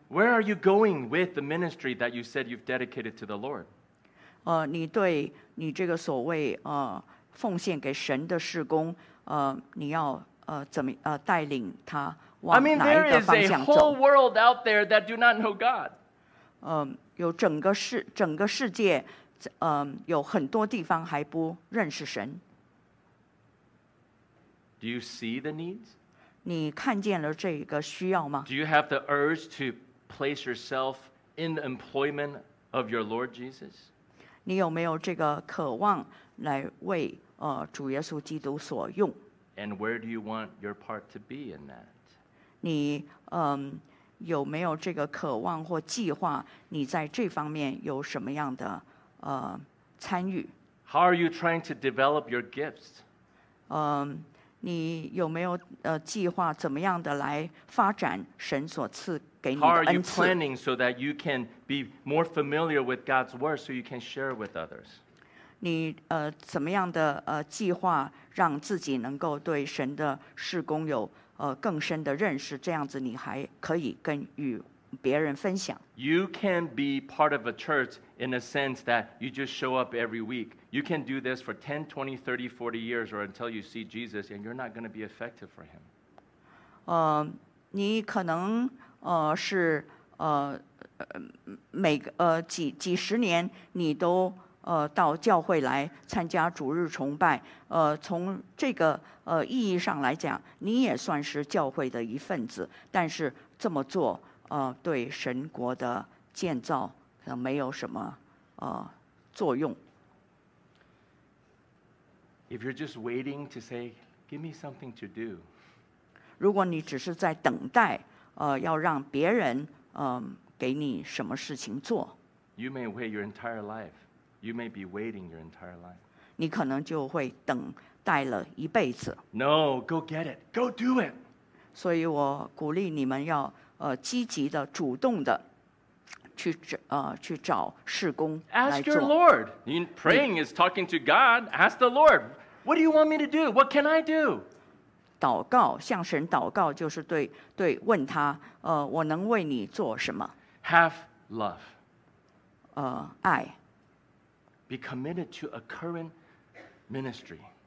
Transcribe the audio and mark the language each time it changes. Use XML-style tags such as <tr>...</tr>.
<en>Where are you going with the ministry that you said you've dedicated to the Lord?</en> <zh>你对你这个所谓奉献给神的事工你要怎么带领他往哪一个方向走</zh> <en>I mean, there is a whole world out there that do not know God.</en> <zh>有整个世界有很多地方还不认识神。</zh> <en>Do you see the needs?</en> <zh>你看见了这个需要吗</zh> <en>？Do you have the urge to place yourself in the employment of your Lord Jesus?</en> <zh>你有没有这个渴望来为主耶稣基督所用？</zh> <en>And where do you want your part to be in that?</en> <zh>你有没有这个渴望或计划你在这方面有什么样的参与？</zh> <en>How are you trying to develop your gifts?</en> <zh>你有没有计划怎么样的来发展神所赐给你的恩赐？</zh> <en>How are you planning so that you can be more familiar with God's word so you can share with others?</en> <zh>你怎么样的计划让自己能够对神的事工有更深的认识，这样子你还可以跟与别人分享。</zh> <en>You can be part of a church in a sense that you just show up every week. You can do this for 10, 20, 30, 40 years or until you see Jesus and you're not going to be effective for him.</en> <zh>你可能是每几十年你都到教会来参加主日崇拜，从这个意义上来讲，你也算是教会的一份子。但是这么做，对神国的建造可能没有什么作用。</zh> <en>If you're just waiting to say, "Give me something to do,"</en> <zh>如果你只是在等待，要让别人给你什么事情做</zh> <en>，You may wait your entire life. You may be waiting your entire life.</en> <zh>你可能就会等待了一辈子。</zh> <en>No, go get it. Go do it.</en> <zh>所以我鼓励你们要积极的、主动的去找事工来做。</zh> <en>Ask your Lord. Praying is talking to God. Ask the Lord. What do you want me to do? What can I do?</en> <zh>祷告，向神祷告，就是对问他，我能为你做什么？</zh> <en>Have love.</en> <zh>爱。</zh> <en>Be committed to a current ministry.</en>